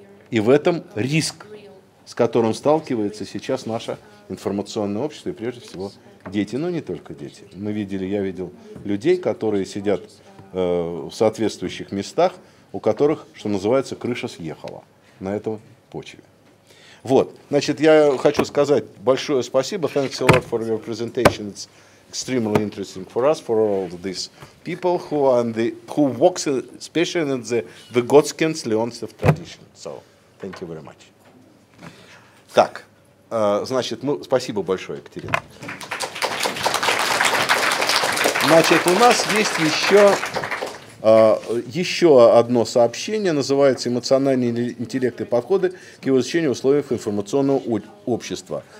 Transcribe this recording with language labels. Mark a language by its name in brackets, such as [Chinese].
[Russian] И в этом риск, с которым сталкивается сейчас наше информационное общество и прежде всего дети, но не только дети. Мы видели, я видел людей, которые сидят в соответствующих местах, у которых, что называется, крыша съехала на этом почве. Вот, значит, я хочу сказать большое спасибо. [English] Thanks a lot for your presentation. It's extremely interesting for us, for all these people who and the who works especially in the Vygotskian Leontsev tradition. So, thank you very much. [Russian] Так, значит, ну, спасибо большое, Екатерина. Значит, у нас есть еще одно сообщение, называется «Эмоциональный интеллект и подходы к его изучению в условиях информационного общества».